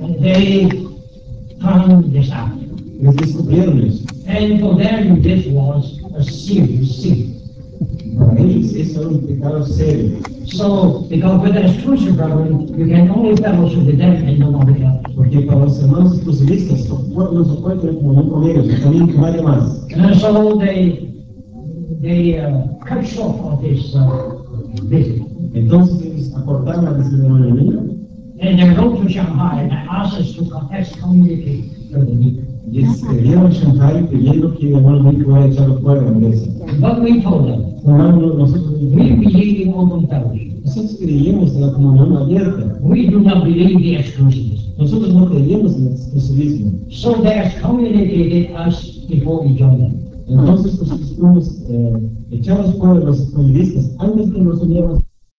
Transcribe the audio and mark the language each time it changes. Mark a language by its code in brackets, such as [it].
[en] They found this out. [es] Les descubrieron eso. [en] And for them, this was a serious sin. So, because with the exclusive brother, you can only fellowship with them and nobody else. [es] Porque para los hermanos exclusivistas, no se puede reunir con ellos, también con nadie más. [en] And so they cut short of this visit. [es] Entonces, acortaron la visita de la reunión. [en] And they wrote to Shanghai and asked us to excommunicate the meeting. [es] Y escribieron a Shanghai pidiendo que el hermano Mick fuera echado fuera de la iglesia. [en] But we told them. [es] Nosotros creíamos en la comunión abierta. [en] We do not believe the exclusivism. [es] Nosotros no creíamos en el exclusivismo. [en] So they excommunicated us before we joined them. [es] Entonces, nosotros fuimos echados fuera de los exclusivistas antes que nos uniéramos.